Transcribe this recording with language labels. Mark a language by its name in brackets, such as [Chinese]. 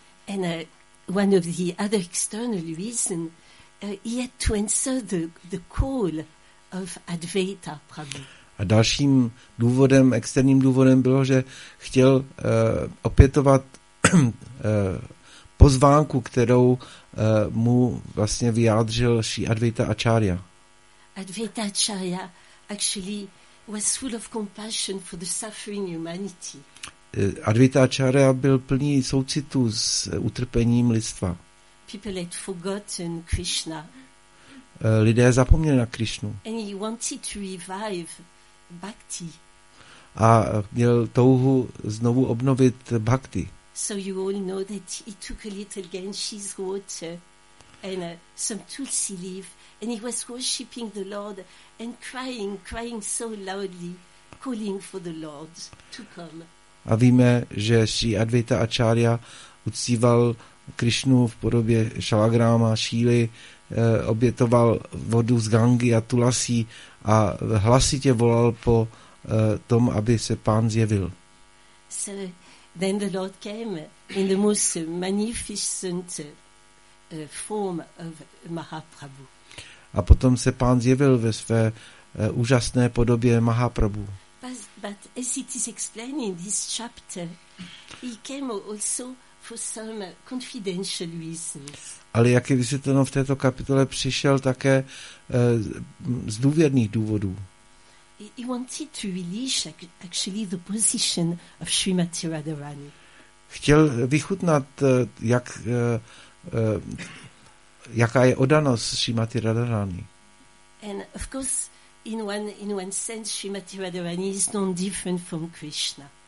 [English] And one of the other external reason, he had to answer the call of Advaita Prabhu. [Czech] A dalším důvodem, externím důvodem bylo, že chtěl opětovat pozvánku, kterou mu vlastně vyjádřil Sri Advaita Acharya. [English] Advaita Acharya actually was full of compassion for the suffering humanity. [Czech] Advaita Acharya byl plný soucitu s utrpením lidstva. [English] People had forgotten Krishna. [Czech] Lidé zapomněli na Krishnu. [English] And he wanted to revive bhakti. [Czech] A měl touhu znovu obnovit bhakti. [English] So you all know that he took a little Ganges water and some tulsi leaf, and he was worshipping the Lord and crying so loudly, calling for the Lord to come. [Czech] A víme, že Sri Advaita Acharya uctíval Krishnu v podobě šalagráma, šíly, obětoval vodu z Gangy a tulasí a hlasitě volal po tom, aby se pán zjevil. [English] So, then the Lord came in the most magnificent form of Mahaprabhu. [Czech] A potom se pán zjevil ve své úžasné podobě Mahaprabhu. [English] But as it is explained in this chapter, he came also for some confidential reasons. [Czech] Ale jak je vysvětleno v této kapitole, přišel také z důvěrných důvodů. [English] He wanted to relish actually the position of Srimati Radharani. [Czech] Chtěl vychutnat, jak, jaká je oddanost Srimati Radharani. [English] And of course, in one sense, Srimati Radharani is not different from Krishna.